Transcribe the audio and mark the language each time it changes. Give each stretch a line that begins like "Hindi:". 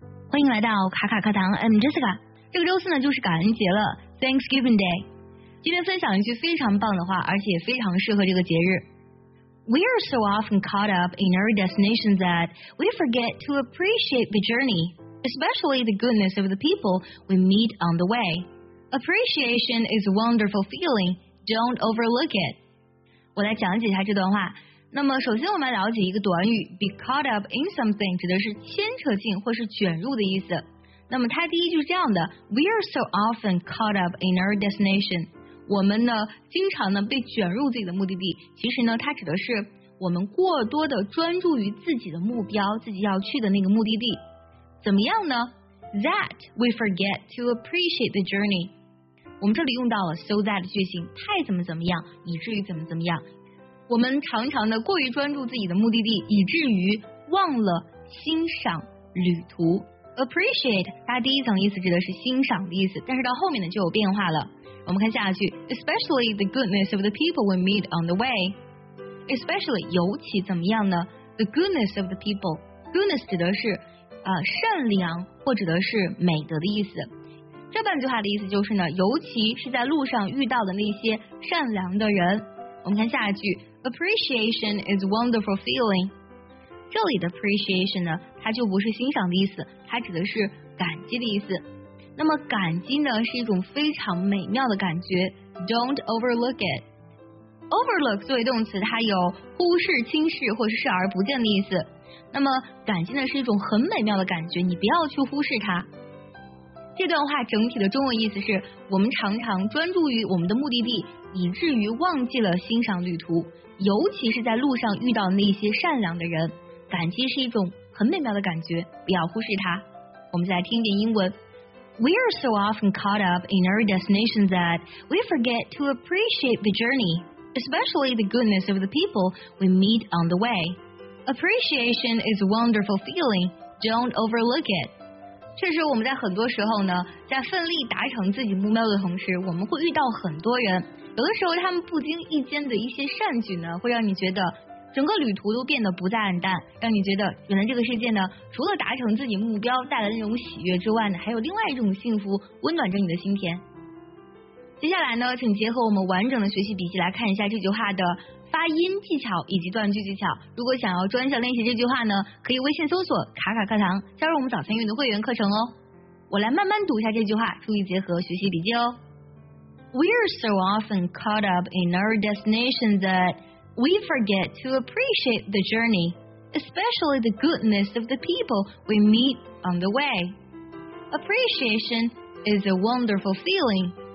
Chinese: 欢迎来到卡卡课堂 ， I'm Jessica。这个周四呢就是感恩节了 ，Thanksgiving Day。今天分享一句非常棒的话，而且非常适合这个节日。
English: We are so often caught up in our destination that we forget to appreciate the journey, especially the goodness of the people we meet on the way. Appreciation is a wonderful feeling.
Chinese: Don't overlook it. 我来讲解一下这段话。那么首先我们来了解一个短语 be caught up in something 指的是牵扯进或是卷入的意思。
English: 那么它第一句是这样的 We are so often caught up in our destination.
Chinese: 我们呢经常呢被卷入自己的目的地，其实呢它指的是我们过多的专注于自己的目标，自己要去的那个目的地。怎么样呢？
English: That we forget to appreciate the journey.
Chinese: 我们这里用到了 so that 句型，太怎么怎么样，以至于怎么怎么样。我们常常的过于专注自己的目的地，以至于忘了欣赏旅途。 Appreciate 它第一层意思指的是欣赏的意思，但是到后面呢就有变化了。我们看下去 ， especially the goodness of the people we meet on the way。 especially 尤其怎么样呢 ？ The goodness of the people， goodness 指的是善良或者的是美德的意思。这半句话的意思就是呢，尤其是在路上遇到的那些善良的人。
English: 我们看下一句，appreciation is a wonderful feeling。
Chinese: 这里的 appreciation 呢，它就不是欣赏的意思，它指的是感激的意思。那么感激呢，是一种非常美妙的感觉。
English: Don't overlook it。
Chinese: Overlook 作为动词，它有忽视、轻视或是视而不见的意思。那么感激呢，是一种很美妙的感觉，你不要去忽视它。这段话整体的中文意思是我们常常专注于我们的目的地，以至于忘记了欣赏旅途，尤其是在路上遇到那些善良的人，感激是一种很美妙的感觉，不要忽视它。我们再来听一遍英文。
English: We are so often caught up in our destination that we forget to appreciate the journey, especially the goodness of the people we meet on the way. Appreciation is a wonderful feeling. Don't overlook it.
Chinese: 确实我们在很多时候呢，在奋力达成自己目标的同时，我们会遇到很多人，有的时候他们不经意间的一些善举呢，会让你觉得整个旅途都变得不再暗淡，让你觉得原来这个世界呢，除了达成自己目标带来的那种喜悦之外呢，还有另外一种幸福温暖着你的心田。接下来呢，请结合我们完整的学习笔记来看一下这句话的发音技巧以及断句技巧。如果想要专项练习这句话呢，可以微信搜索卡卡课堂，加入我们早餐阅读会员课程哦。我来慢慢读一下这句话，注意结合学习笔记哦。
English: We are so often caught up in our destination that we forget to appreciate the journey, especially the goodness of the people we meet on the way. Appreciation is a wonderful feeling.